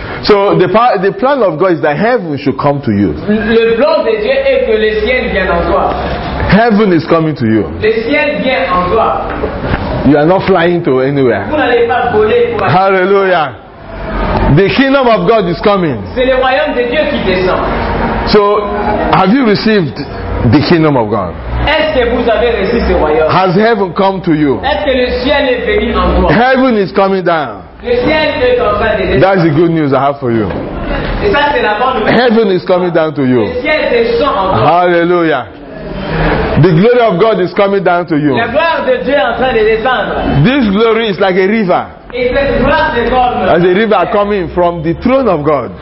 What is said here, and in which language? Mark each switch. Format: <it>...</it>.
<en>So the plan of God is that heaven should come to you.</en> <fr>Le plan de Dieu est que le ciel vienne en toi.</fr> <en>Heaven is coming to you.</en> <fr>Le ciel vient en toi.</fr> <en>You are not flying to anywhere.</en> <fr>Vous n'allez pas voler pour aller.</fr> <en>Hallelujah. The kingdom of God is coming.</en> <fr>C'est le royaume de Dieu qui descend.</fr> <en>So have you received the kingdom of God?</en> <fr>Est-ce que vous avez reçu ce royaume?</fr> <en>Has heaven come to you?</en> <fr>Est-ce que le ciel est venu en toi?</fr> <en>Heaven is coming down. That's the good news I have for you. Heaven is coming down to you. Hallelujah. The glory of God is coming down to you. This glory is like a river. As a river coming from the throne of God.</en>